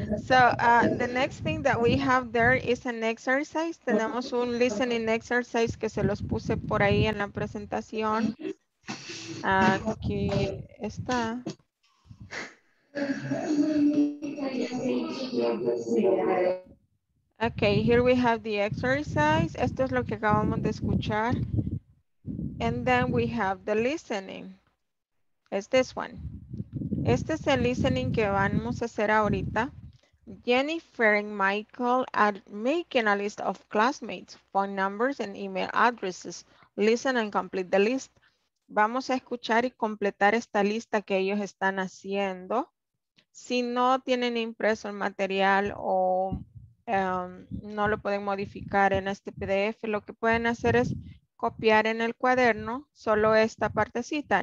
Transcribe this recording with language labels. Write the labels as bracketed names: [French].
[English] So the next thing that we have there is an exercise. [Spanish] Tenemos un listening exercise que se los puse por ahí en la presentación. Aquí está. [English] Okay, here we have the exercise. [Spanish] Esto es lo que acabamos de escuchar. [English] And then we have the listening. It's this one. [Spanish] Este es el listening que vamos a hacer ahorita. [English] Jennifer and Michael are making a list of classmates, phone numbers, and email addresses. Listen and complete the list. [Spanish] Vamos a escuchar y completar esta lista que ellos están haciendo. Si no tienen impreso el material o no lo pueden modificar en este PDF, lo que pueden hacer es copiar en el cuaderno solo esta partecita.